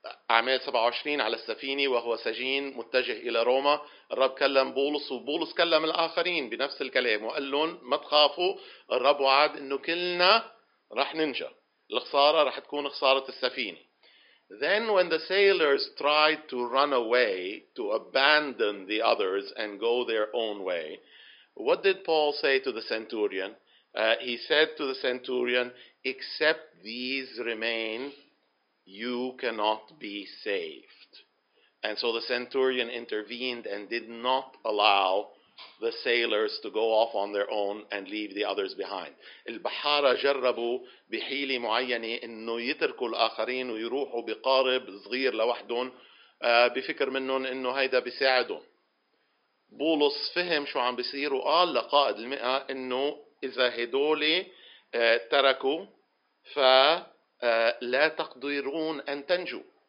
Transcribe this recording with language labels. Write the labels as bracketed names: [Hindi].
[Arabic] أعمال 27 على السفينة وهو سجين متجه إلى روما. الرب كلم بولس وبولس كلم الآخرين بنفس الكلام وقال لهم ما تخافوا, الرب وعد إنه كلنا رح ننجى. الخسارة رح تكون خسارة السفينة. [English] Then when the sailors tried to run away, to abandon the others and go their own way, what did Paul say to the centurion? He said to the centurion, except these remain, you cannot be saved. And so the centurion intervened and did not allow the sailors to go off on their own and leave the others behind. [Arabic] البحارة جربوا بحيلة معينة إنه يتركوا الآخرين ويروحوا بقارب صغير لوحدهم بفكر منهم إنه هيدا بيساعدهم. بولس فهم شو عم بيصير وقال لقائد المئة إنه إذا هدول تركوا فلا تقدرون أن تنجوا.